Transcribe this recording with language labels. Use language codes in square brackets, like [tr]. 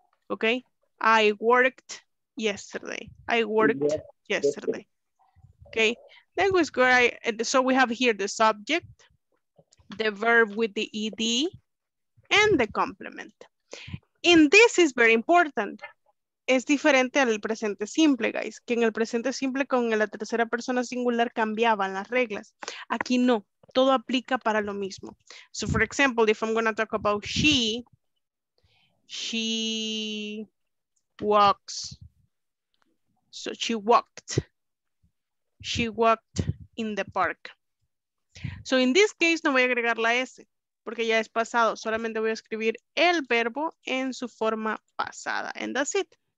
[en] Okay, I worked yesterday. I worked yesterday. Okay, then we write, so we have here the subject, the verb with the ed, and the complement. And this is very important. [es] Es diferente al presente simple, guys, que en el presente simple con la tercera persona singular cambiaban las reglas. Aquí no, todo aplica para lo mismo. [en] So for example, if I'm going to talk about she walks, so she walked in the park. So in this case, [es] no voy a agregar la S, porque ya es pasado, solamente voy a escribir el verbo en su forma pasada, [en] and that's it.